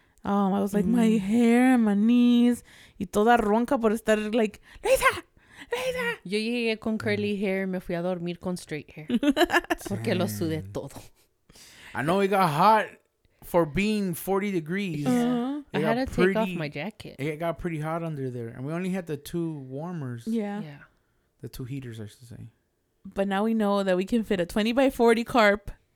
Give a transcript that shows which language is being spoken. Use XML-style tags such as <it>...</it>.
<en>I was like, my hair and my knees.</en> <es>Y toda ronca por estar like, Lisa! Lisa! Yo llegué con</es> <en>curly hair</en> <es>y me fui a dormir con</es> <en>straight hair.</en> <es>Porque lo sudé todo.</es> <en>I know it got hot for being 40 degrees. Uh-huh. I had to take off my jacket. It got pretty hot under there. And we only had the two warmers. Yeah. Yeah. The two heaters, I should say. But now we know that we can fit a 20 by 40 carp.</en>